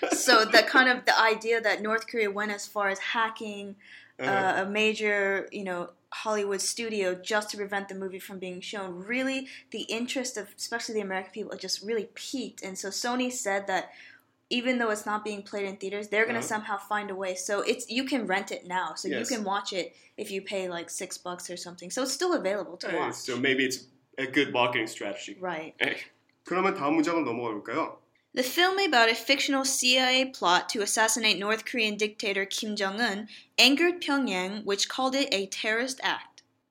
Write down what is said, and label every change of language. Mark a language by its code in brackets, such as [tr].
[en] So that kind of the idea that North Korea went as far as hacking a major, you know, Hollywood studio just to prevent the movie from being shown, really the interest of especially the American people just really peaked. And so Sony said that even though it's not being played in theaters, they're going to somehow find a way. So it's you can rent it now. So yes. You can watch it if you pay like $6 or something. So it's still available to watch. So maybe it's a good marketing strategy. Right. [ko] 그러면 다음 문장으로 넘어가 볼까요? [en] The film about a fictional CIA plot to assassinate North Korean dictator Kim Jong-un angered Pyongyang, which called it a terrorist act.